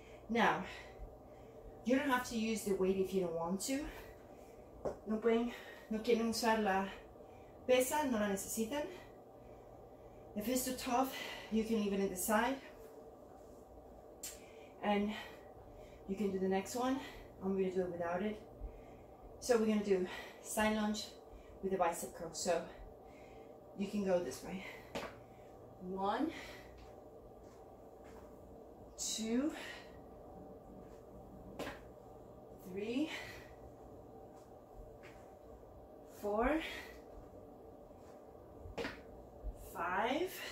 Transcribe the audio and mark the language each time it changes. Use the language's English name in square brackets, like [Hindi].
[English] Now, you don't have to use the weight if you don't want to. [Spanish] No pueden, no quieren usar la pesa, no la necesitan. [English] If it's too tough, you can leave it at the side. And you can do the next one. I'm going to do it without it. So we're going to do side lunge with a bicep curl. So you can go this way. One, two, three, four, five.